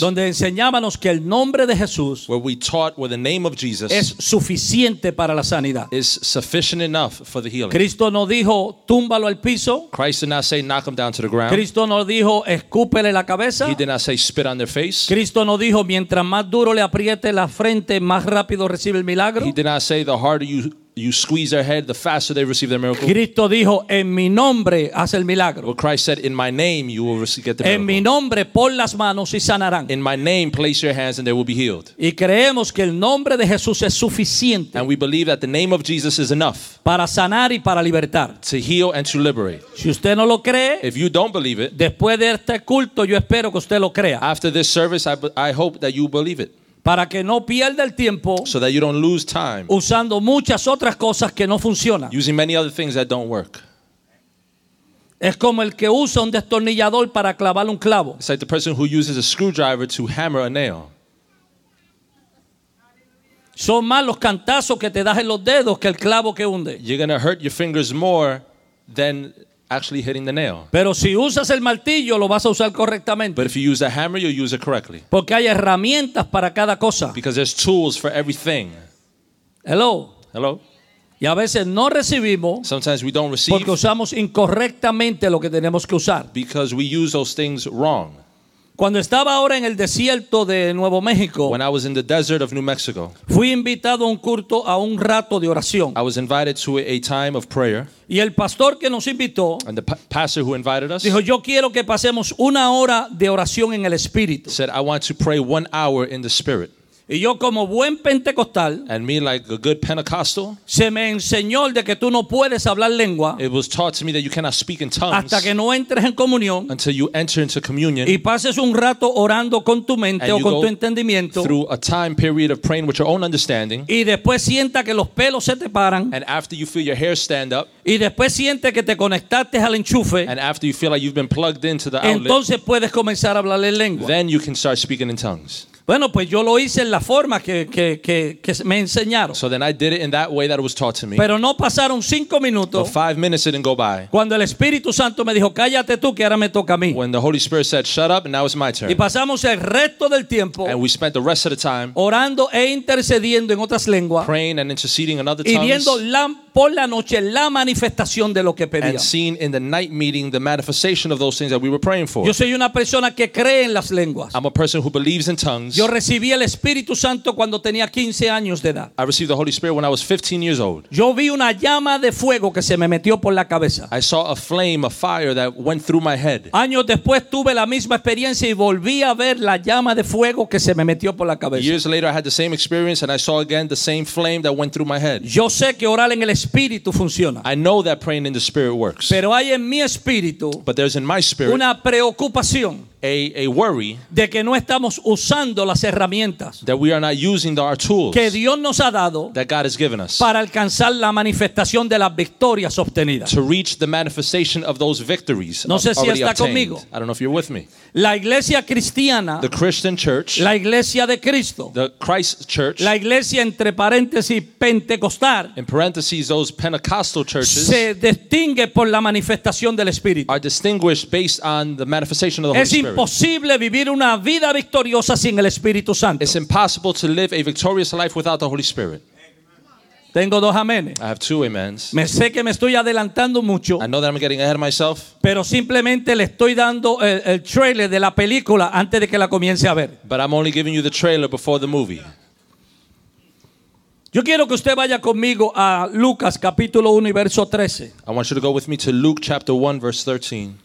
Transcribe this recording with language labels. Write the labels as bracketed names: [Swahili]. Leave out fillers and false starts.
[Spanish] Donde enseñábamos que el nombre de Jesús. [English] Where we taught where the name of Jesus. [Spanish] Es suficiente para la sanidad. [English] Is sufficient enough for the healing. [Spanish] Cristo no dijo, túmbalo al piso. [English] Christ did not say, knock them down to the ground. [Spanish] Cristo no dijo, escúpele la cabeza. [English] He did not say, spit on their face. [Spanish] Cristo no dijo, mientras más duro le apriete la frente, más rápido recibe el milagro. [English] He did not say, the harder you squeeze their head, the faster they receive their miracle. [Spanish] Cristo dijo, en mi nombre haz el milagro. [English] Well, Christ said, in my name you will receive, get the [Spanish] en Mi nombre, pon las manos y sanarán. [English] In my name place your hands and they will be healed. [Spanish] Y creemos que el nombre de Jesús es suficiente. [English] And we believe that the name of Jesus is enough. [Spanish] Para sanar y para libertar. [English] To heal and to liberate. [Spanish] Si usted no lo cree, [English] if you don't believe it, [Spanish] después de este culto yo espero que usted lo crea. [English] After this service I hope that you believe it. [Spanish] Para que no pierda el tiempo, [English] so that you don't lose time, [Spanish] usando muchas otras cosas que no funcionan, [English] using many other things that don't work. [Spanish] Es como el que usa un destornillador para clavar un clavo. [English] It's like the person who uses a screwdriver to hammer a nail. [Spanish] Son más los cantazos que te das en los dedos que el clavo que hunde. [English] You're gonna hurt your fingers more than actually hitting the nail. [Spanish] Pero si usas el martillo, lo vas a usar correctamente. [English] But if you use a hammer, you'll use it correctly. [Spanish] Porque hay herramientas para cada cosa. [English] Because there's tools for everything. Hello. Hello. [Spanish] Y a veces no recibimos. [English] Sometimes we don't receive. [Spanish] Porque usamos incorrectamente lo que tenemos que usar. [English] Because we use those things wrong. [Spanish] Cuando estaba ahora en el desierto de Nuevo México, [English] when I was in the desert of New Mexico, [Spanish] fui invitado a un culto, a un rato de oración. [English] I was invited to a time of prayer. [Spanish] Y el pastor que nos invitó, [English] and the pastor who invited us, [Spanish] dijo, yo quiero que pasemos una hora de oración en el Espíritu. [English] Said, I want to pray 1 hour in the Spirit. [Spanish] Y yo como buen pentecostal, [English] and me like a good Pentecostal, [Spanish] se me enseñó de que tú no puedes hablar lengua, [English] it was taught to me that you cannot speak in tongues, [Spanish] hasta que no entres en comunión, [English] until you enter into communion, [Spanish] y pases un rato orando con tu mente o con tu entendimiento, [English] through a time period of praying with your own understanding, [Spanish] y después sienta que los pelos se te paran, [English] and after you feel your hair stand up, [Spanish] y después siente que te conectaste al enchufe, [English] and after you feel like you've been plugged into the outlet, [Spanish] entonces puedes comenzar a hablar en lengua, [English] then you can start speaking in tongues. [Spanish] Bueno, pues yo lo hice en la forma que me enseñaron. [English] So then I did it in that way that it was taught to me. [Spanish] Pero no pasaron 5 minutos. [English] But 5 minutes didn't go by. [Spanish] Cuando el Espíritu Santo me dijo, cállate tú, que ahora me toca a mí. [English] When the Holy Spirit said, shut up, and now it's my turn. [Spanish] Y pasamos el resto del tiempo. [English] And we spent the rest of the time. [Spanish] Orando e intercediendo en otras lenguas. Praying and interceding in other tongues. Y viendo por la noche la manifestación de lo que pedía. [English] And seen in the night meeting the manifestation of those things that we were praying for. [Spanish] Yo soy una persona que cree en las lenguas. [English] I'm a person who believes in tongues. [Spanish] Yo recibí el Espíritu Santo cuando tenía 15 años de edad. [English] I received the Holy Spirit when I was 15 years old. [Spanish] Yo vi una llama de fuego que se me metió por la cabeza. [English] I saw a flame, a fire that went through my head. [Spanish] Años después tuve la misma experiencia y volví a ver la llama de fuego que se me metió por la cabeza. [English] Years later I had the same experience and I saw again the same flame that went through my head. [Spanish] Yo sé que orar en el Espíritu funciona. [English] I know that praying in the Spirit works. [Spanish] Pero hay en mi espíritu, [English] but there's in my spirit, [Spanish] una preocupación, [English] a worry, [Spanish] de que no estamos usando las herramientas, [English] that we are not using our tools, [Spanish] que Dios nos ha dado, [English] that God has given us, [Spanish] para alcanzar la manifestación de las victorias obtenidas, [English] to reach the manifestation of those victories. [Spanish] No sé si está [English] obtained. [Spanish] Conmigo. [English] I don't know if you're with me. [Spanish] La iglesia cristiana, [English] the Christian church, [Spanish] la iglesia de Cristo, [English] the Christ church, [Spanish] la iglesia entre paréntesis pentecostal, [English] in parentheses those Pentecostal churches, [Spanish] se distingue por la manifestación del Espíritu, [English] are distinguished based on the manifestation of the es Holy Spirit. [Spanish] Es imposible vivir una vida victoriosa sin el Espíritu Santo. [English] It's impossible to live a victorious life without the Holy Spirit. [Spanish] Tengo dos amenes. [English] I have two amens. [Spanish] Me sé que me estoy adelantando mucho. [English] I know that I'm getting ahead of myself. [Spanish] Pero simplemente le estoy dando el trailer de la película antes de que la comience a ver. [English] But I'm only giving you the trailer before the movie. [Spanish] Yo quiero que usted vaya conmigo a Lucas capítulo 1 y verso 13. [English] I want you to go with me to Luke chapter 1 verse 13.